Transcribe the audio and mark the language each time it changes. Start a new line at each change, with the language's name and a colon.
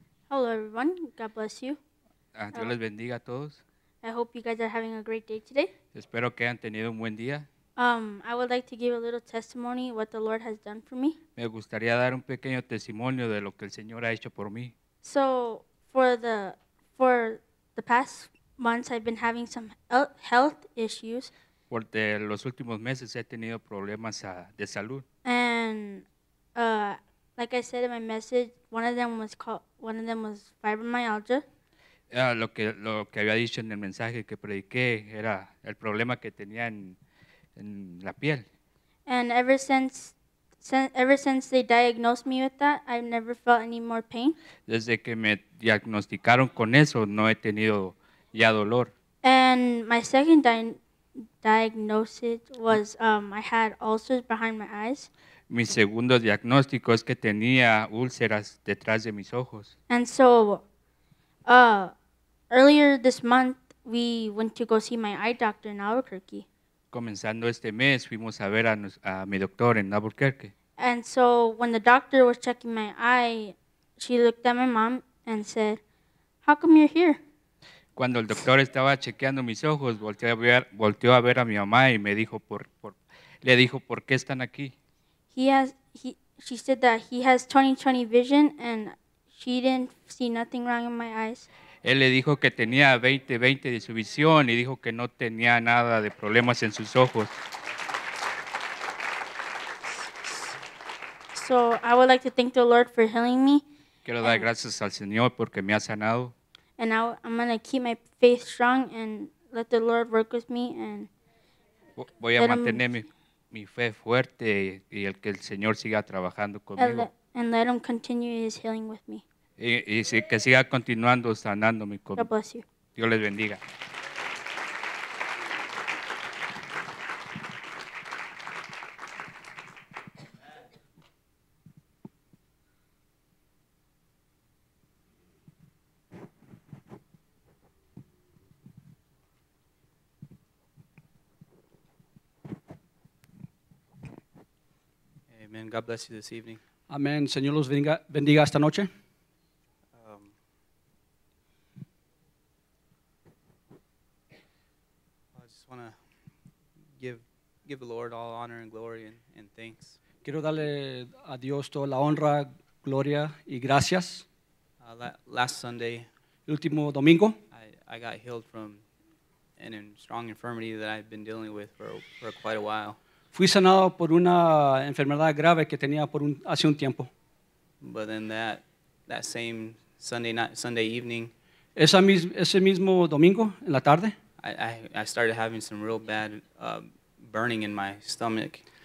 English: Hello, everyone. God bless you.
Spanish: Dios les bendiga a todos.
English: I hope you guys are having a great day today.
Spanish: Espero que hayan tenido un buen día.
English: I would like to give a little testimony of what the Lord has done for me.
Spanish: Me gustaría dar un pequeño testimonio de lo que el Señor ha hecho por mí.
English: So, for the past months, I've been having some health issues.
Spanish: Por de los últimos meses he tenido problemas de salud.
English: And like I said in my message, one of them was fibromyalgia.
Spanish: Lo que había dicho en el mensaje que prediqué era el problema que tenía en la piel.
English: And ever since they diagnosed me with that, I've never felt any more pain.
Spanish: Desde que me diagnosticaron con eso, no he tenido ya dolor.
English: And my second diagnosis was I had ulcers behind my eyes.
Spanish: Mi segundo diagnóstico es que tenía úlceras detrás de mis ojos.
English: And so, earlier this month, we went to go see my eye doctor in Albuquerque.
Spanish: comenzando este mes fuimos a ver a mi doctor en Albuquerque.
English: And so when the doctor was checking my eye, she looked at my mom and said, "How come you're here?"
Spanish: Cuando el doctor estaba chequeando mis ojos, volteó a ver a mi mamá y me dijo le dijo, "¿Por qué están aquí?"
English: She said that he has 20/20 vision and she didn't see nothing wrong in my eyes.
Spanish: Él le dijo que tenía 20/20 de su visión y dijo que no tenía nada de problemas en sus ojos.
English: So I would like to thank the Lord for healing me.
Spanish: Quiero dar gracias al Señor porque me ha sanado.
English: And I'm going to keep my faith strong and let the Lord work with me. And
Spanish: voy a mantener mi fe fuerte y el que el Señor siga trabajando conmigo.
English: And let him continue his healing with me.
Spanish: Y que siga continuando sanándome conmigo.
English: God bless you.
Spanish: Dios les bendiga.
English: God bless you this evening.
Spanish: Amen. Señor los bendiga esta noche.
English: I just want to give the Lord all honor and glory and thanks.
Spanish: Quiero darle a Dios toda la honra, gloria y gracias.
English: Last Sunday,
Spanish: el último domingo,
English: I got healed from an strong infirmity that I've been dealing with for quite a while.
Spanish: Fui sanado por una enfermedad grave que tenía hace un tiempo.
English: But then that same Sunday evening,
Spanish: ese mismo domingo en la tarde,
English: I started having some real bad burning in my stomach.